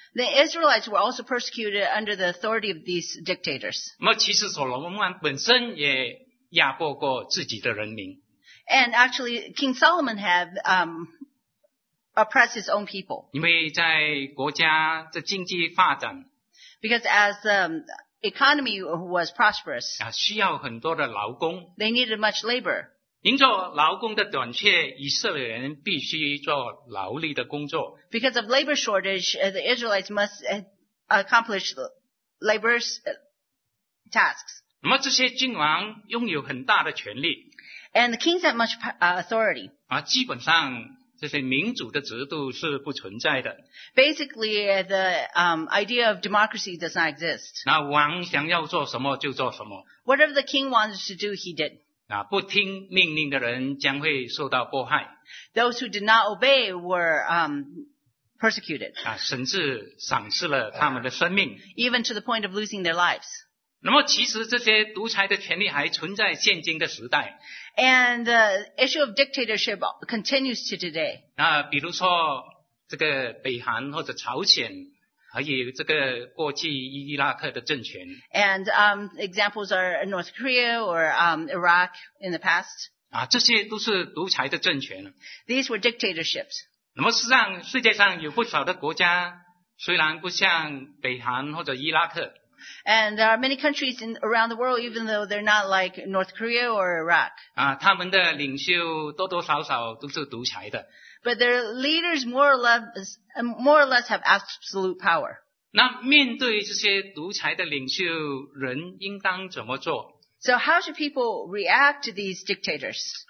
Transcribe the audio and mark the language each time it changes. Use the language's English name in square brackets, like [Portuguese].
[English] The Israelites were also persecuted under the authority of these dictators. [Chinese] 那么其实所罗门王本身也压迫过自己的人民。 [English] And actually King Solomon had oppress his own people. [Chinese] 因为在国家的经济发展, [English] because as the economy was prosperous, [Chinese] 需要很多的劳工, [English] they needed much labor. [Chinese] 因着劳工的短缺, 以色列人必须做劳力的工作。 [English] Because of labor shortage, the Israelites must accomplish labor's tasks. [Chinese] 那么这些君王拥有很大的权力, [English] and the kings have much authority. [Chinese] 基本上, 这些民主的制度是不存在的。 [English] Basically, the idea of democracy does not exist. [Chinese] 那王想要做什么就做什么。 [English] Whatever the king wanted to do, he did. [Chinese] 不听命令的人将会受到迫害。 [English] Those who did not obey were persecuted. [Chinese] 甚至丧失了他们的生命。 [English] Even to the point of losing their lives. [Chinese] 那么其实这些独裁的权利还存在现今的时代。 [English] And the issue of dictatorship continues to today. [Chinese] 比如说这个北韩或者朝鲜, 还有这个过去伊拉克的政权, [English] and examples are North Korea or Iraq in the past. [Chinese] 啊, 这些都是独裁的政权, [English] these were dictatorships. [Chinese] 那么世界上有不少的国家, 虽然不像北韩或者伊拉克, [English] and there are many countries in, around the world, even though they're not like North Korea or Iraq. [Chinese] 啊, 他们的领袖多多少少都是独裁的, [English] but their leaders more or less have absolute power. [Chinese] 那面对这些独裁的领袖, 人应当怎么做? [English] So how should people react to these dictators?